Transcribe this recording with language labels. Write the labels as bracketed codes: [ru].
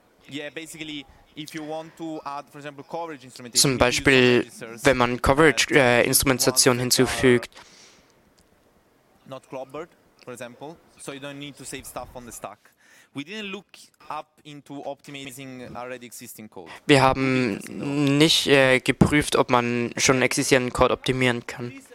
[en] Yeah, basically, if you want to add, for example, coverage instrumentation. [de] Zum Beispiel, wenn man Coverage Instrumentation hinzufügt. [en] Not clobbered, for example, so you don't need to save stuff on the stack. We didn't look up into optimizing already existing code. [de] Wir haben nicht geprüft, ob man schon existierenden Code optimieren kann.